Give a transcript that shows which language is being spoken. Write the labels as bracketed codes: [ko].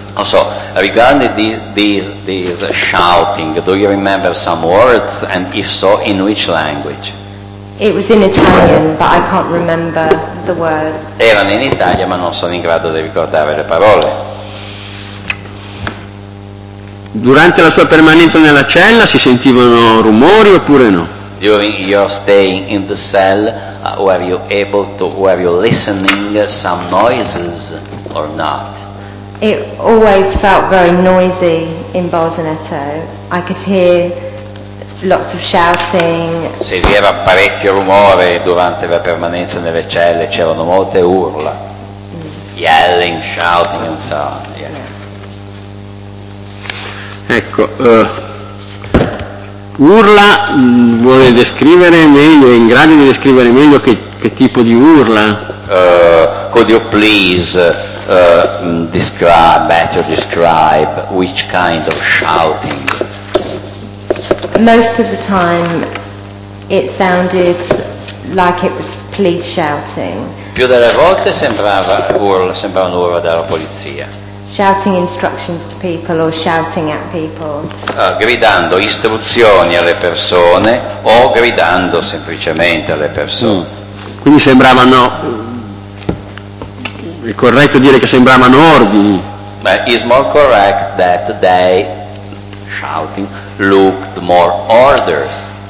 [it] Non so. [en] Regarding this shouting, do you remember some words, and if so, in which language? It was in Italian, but I can't remember the words. [it] Erano in Italia, ma non sono in grado di ricordare le parole. Durante la sua permanenza nella cella si sentivano rumori oppure no? [en] During your stay in the cell, were you listening some noises or not? It always felt very noisy in Bolzaneto. I could hear lots of shouting. [it] Se vi era parecchio rumore durante la permanenza nelle celle, c'erano molte urla. [en] Yelling, shouting and so on. Yeah. [it] Ecco, urla vuole descrivere meglio, è in grado di descrivere meglio che tipo di urla? [en] Could you please describe which kind of shouting? Most of the time it sounded like it was police shouting. [it] Più delle volte sembrava un'urla della polizia. [en] Shouting instructions to people or shouting at people. [it] Gridando istruzioni alle persone o gridando semplicemente alle persone. Quindi sembravano, è corretto dire che sembravano ordini. [en] But it's more correct that they, shouting, looked more orders.